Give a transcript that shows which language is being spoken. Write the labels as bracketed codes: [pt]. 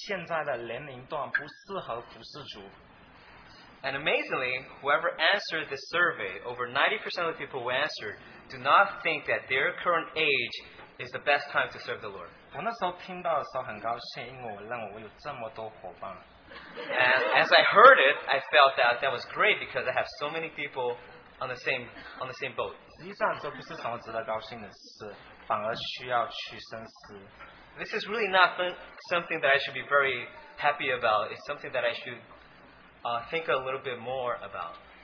[zh] 然后出乎意料的是，90%的人都认为自己现在的年龄段不适合服侍主。 [en] And amazingly, whoever answered this survey, over 90% of the people who answered, do not think that their current age is the best time to serve the Lord. [zh] 我那时候听到的时候很高兴，因为我认为我有这么多伙伴。 [en] And as I heard it, I felt that was great because I have so many people on the same boat. [zh] 实际上这不是什么值得高兴的事，反而需要去深思。 [en] This is really not something that I should be very happy about. It's something that I should think a little bit more about.